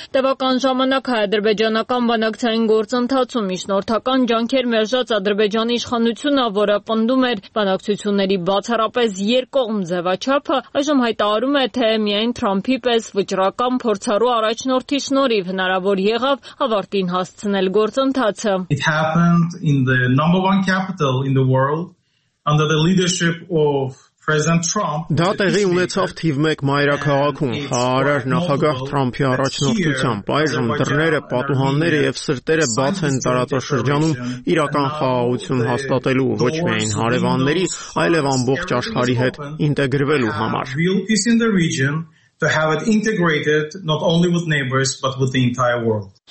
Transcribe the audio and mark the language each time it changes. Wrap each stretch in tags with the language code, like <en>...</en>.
<hy>Տևական ժամանակ հայ-ադրբեջանական բանակցային գործընթացում միջնորդական ջանքեր մերժած Ադրբեջանի իշխանությունը, որը պնդում էր բանակցությունների բացառապես երկկողմ ձևաչափը, այժմ հայտարարում է, թե միայն Թրամփի պես վճռական փորձառու առաջնորդի շնորհիվ հնարավոր եղավ ավարտին հասցնել գործընթացը։</hy> <en>It happened in the number one capital in the world under the leadership of</en> <hy>Դա տեղի ունեցավ թիվ 1 մայրաքաղաքում, հարար նախագահ Թրամփի առաջնորդությամբ։ Այժմ դռները, պատուհանները և սրտերը բաց են տարածաշրջանում իրական խաղաղություն հաստատելու, ոչ միայն հարևանների, այլև ամբողջ աշխարհի հետ ինտեգրվելու համար։</hy>